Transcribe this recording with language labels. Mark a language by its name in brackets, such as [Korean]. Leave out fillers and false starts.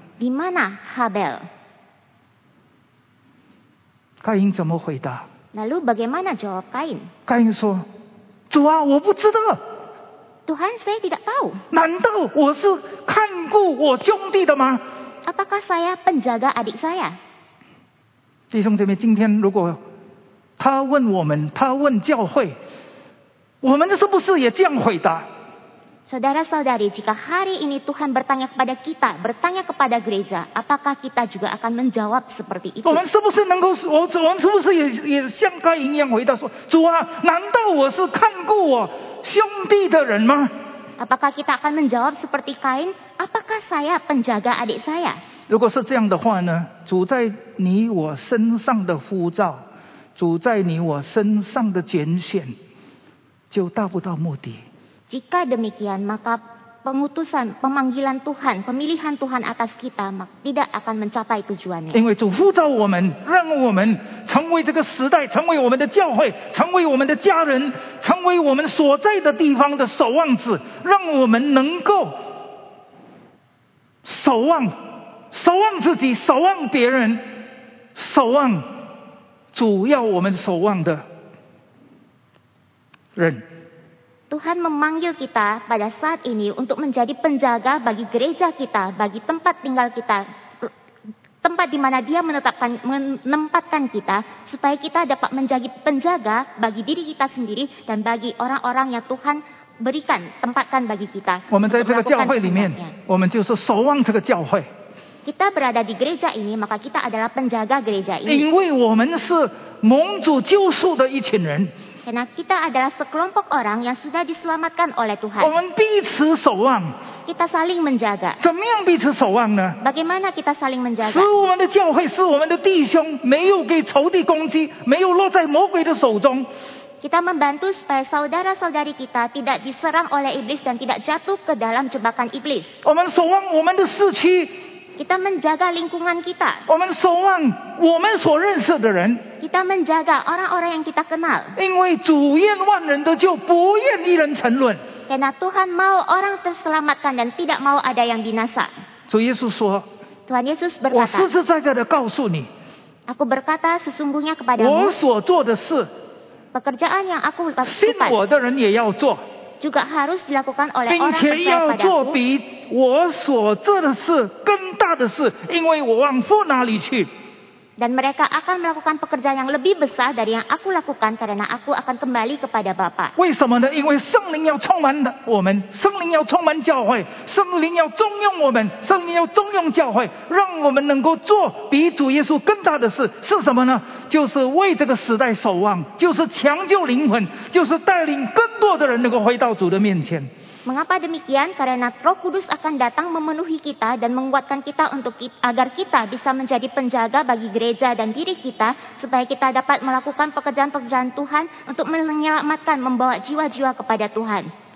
[Indonesian] Di mana Habel? [Chinese] 该隐怎么回答？ [Indonesian] Lalu bagaimana jawab Kain? [Chinese] 该隐说，主啊，我不知道。 [Indonesian] Tuhan, saya tidak tahu. [Chinese] 难道我是看顾我兄弟的吗？ [Indonesian] Apakah saya penjaga adik saya? [Chinese] 弟兄姐妹，今天如果他问我们，他问教会，我们是不是也这样回答？ [Indonesian] Saudara-saudari, jika hari ini Tuhan bertanya kepada kita, bertanya kepada gereja, apakah kita juga akan menjawab seperti itu? [Chinese] 我们是不是能够，我们是不是也像该隐一样回答说，主啊，难道我是看顾我兄弟的人吗？ [Indonesian] Apakah kita akan menjawab seperti Kain? Apakah saya penjaga adik saya? [Chinese] 如果是这样的话呢，主在你我身上的呼召，主在你我身上的拣选，就达不到目的。 [Indonesian] Jika demikian, maka pengutusan, pemanggilan Tuhan, pemilihan Tuhan atas kita tidak akan mencapai tujuannya. [Chinese] 因为主呼召我们，让我们成为这个时代，成为我们的教会，成为我们的家人，成为我们所在的地方的守望者，让我们能够守望自己，守望别人，守望主要我们守望的人。 [Indonesian] Tuhan memanggil kita pada saat ini untuk menjadi penjaga bagi gereja kita, bagi tempat tinggal kita, tempat di mana Dia menempatkan kita, supaya kita dapat menjadi penjaga bagi diri kita sendiri dan bagi orang-orang yang Tuhan berikan tempatkan bagi kita. [Chinese] 我们在这个教会里面，我们就是守望这个教会。 [Indonesian] Kita berada di gereja ini, maka kita adalah penjaga gereja ini. [Chinese] 因为我们是蒙主救赎的一群人。 [Indonesian] Karena kita adalah sekelompok orang yang sudah diselamatkan oleh Tuhan. [Chinese] 我们彼此守望。 [Indonesian] Kita saling menjaga. [Chinese] 怎么样彼此守望呢？ [Indonesian] Bagaimana kita saling menjaga? [Chinese] 使我们的教会，使我们的弟兄没有给仇敌攻击，没有落在魔鬼的手中。 [Indonesian] Kita membantu supaya saudara-saudari kita tidak diserang oleh iblis dan tidak jatuh ke dalam jebakan iblis. [Chinese] 我们守望我们的市区。 [Indonesian] Kita menjaga lingkungan kita. [Chinese] 我们守望我们所认识的人。 [Indonesian] Kita menjaga orang-orang yang kita kenal. [Chinese] 因为主厌万人的救，不厌一人沉沦。 [Indonesian] Karena Tuhan mau orang terselamatkan dan tidak mau ada yang binasa. [Chinese] 主耶稣说， [Indonesian] Tuhan Yesus berkata， [Chinese] 我实实在在的告诉你， [Indonesian] Aku berkata sesungguhnya kepadamu， [Chinese] 我所做的事， [Indonesian] pekerjaan yang aku lakukan， [Chinese] 信我的人也要做， [Indonesian] juga harus dilakukan oleh orang padaku， [Chinese] 并且要做比我所做的事更大的事，因为我往父那里去。 [Indonesian] Dan mereka akan melakukan pekerjaan yang lebih besar dari yang aku lakukan karena aku akan kembali kepada Bapa. [Chinese] 为什么呢？因为圣灵要充满我们，圣灵要重用我们，圣灵要重用教会，让我们能够做比主耶稣更大的事。是什么呢？就是为这个时代守望，就是抢救灵魂，就是带领更多的人能够回到主的面前。 [Indonesian] Mengapa demikian? Karena Roh Kudus akan datang memenuhi kita dan menguatkan kita untuk agar kita bisa menjadi penjaga bagi gereja dan diri kita supaya kita dapat melakukan pekerjaan-pekerjaan Tuhan untuk menyelamatkan, membawa jiwa-jiwa kepada Tuhan.